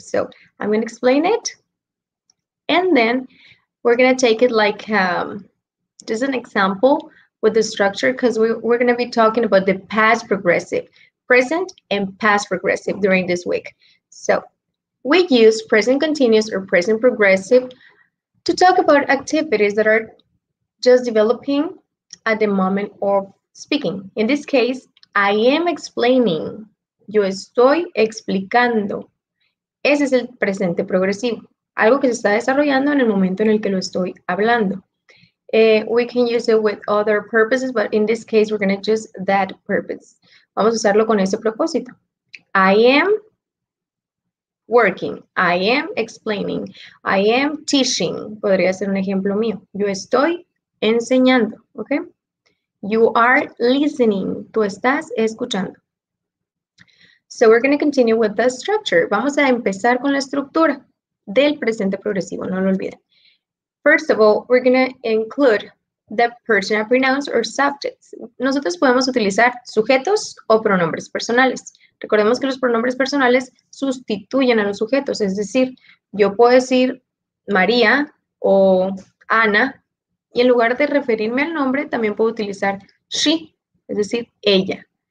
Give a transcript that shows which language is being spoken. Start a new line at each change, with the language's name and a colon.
English: So I'm going to explain it. And then we're going to take it like just an example with the structure, because we're going to be talking about the past progressive, present and past progressive during this week. So we use present continuous or present progressive to talk about activities that are just developing at the moment of speaking. In this case, I am explaining.
Spanish: Yo estoy explicando. Ese es el presente progresivo. Algo que se está desarrollando en el momento en el que lo estoy hablando.
English: We can use it with other purposes, but in this case, we're going to use that purpose.
Spanish: Vamos a usarlo con ese propósito.
English: I am working. I am explaining. I am teaching.
Spanish: Podría ser un ejemplo mío. Yo estoy enseñando.
English: Okay. You are listening.
Spanish: Tú estás escuchando.
English: So we're going to continue with the structure.
Spanish: Vamos a empezar con la estructura del presente progresivo. No lo olviden.
English: First of all, we're going to include the personal pronouns or subjects.
Spanish: Nosotros podemos utilizar sujetos o pronombres personales. Recordemos que los pronombres personales sustituyen a los sujetos. Es decir, yo puedo decir María o Ana. Y en lugar de referirme al nombre, también puedo utilizar she, es decir, ella.